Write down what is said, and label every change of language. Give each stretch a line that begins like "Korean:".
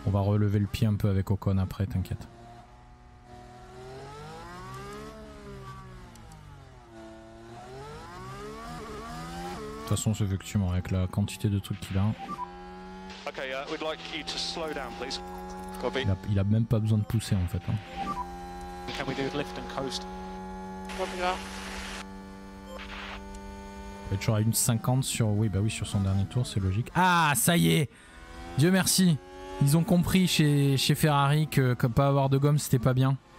French: Relever le pied un peu avec Ocon après, t'inquiète. De toute façon, c'est effectivement avec la quantité de trucs qu'il a.
English: Okay, we'd like you to slow down, please. Copy.
French: Il a même pas besoin de pousser en fait. Hein.
English: Can we do lift and coast? Copy that.
French: Il est toujours à 1,50 sur. Oui, bah oui, sur son dernier tour, c'est logique. Ah, ça y est! Dieu merci! Ils ont compris chez Ferrari que pas avoir de gomme c'était pas bien.